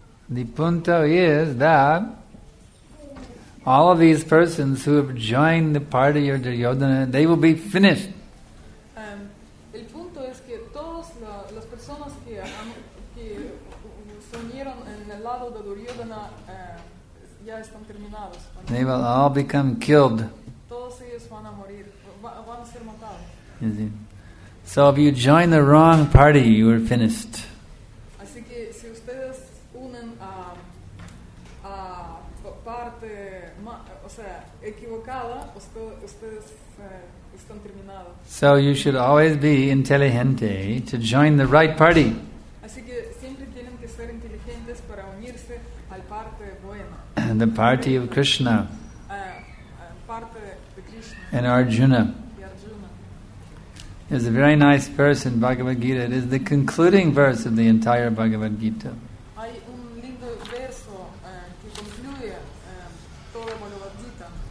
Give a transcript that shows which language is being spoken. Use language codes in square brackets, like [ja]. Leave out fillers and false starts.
[en] The punto is that all of these persons who have joined the party of Duryodhana, they will be finished. [es] El punto es que todas las personas que se unieron en el lado de Duryodhana ya están terminados. [en] They will all become killed. [es] Todos ellos van a morir, van a ser matados. [en] So if you join the wrong party, you are finished. [es] Así que si ustedes unen a parte, o sea, equivocada, ustedes están terminados. [en] So you should always be inteligente to join the right party. [es] Así que siempre tienen que ser inteligentes para unirse al parte buena. [en] The party of Krishna. [es] Parte de Krishna. [en] And Arjuna. Is a very nice verse in Bhagavad Gita. It is the concluding verse of the entire Bhagavad Gita. [es] Hay un lindo verso que concluye toda Bhagavad Gita.